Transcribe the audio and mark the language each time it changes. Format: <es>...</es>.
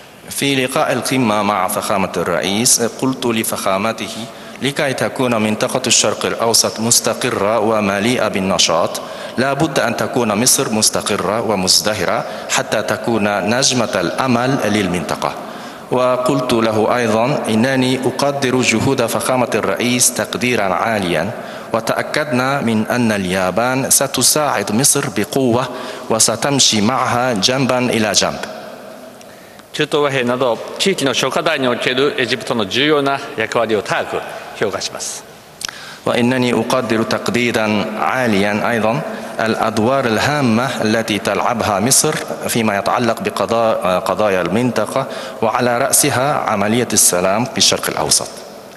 <ar>في لقاء القمة مع فخامة الرئيس قلت لفخامته لكي تكون منطقة الشرق الأوسط مستقرة ومليئة بالنشاط لا بد أن تكون مصر مستقرة ومزدهرة حتى تكون نجمة الأمل للمنطقة. وقلت له أيضا إنني أقدر جهود فخامة الرئيس تقديرا عاليا وتأكدنا من أن اليابان ستساعد مصر بقوة وستمشي معها جنبا إلى جنب.</ar> <ja>中東和平など地域の諸課題におけるエジプトの重要な役割を高く評価します。</ja> <ar>وإنني أقدر تقديرا عاليا أيضا الأدوار الهامة التي تلعبها مصر فيما يتعلق بقضايا المنطقة وعلى رأسها عملية السلام في الشرق الأوسط.</ar>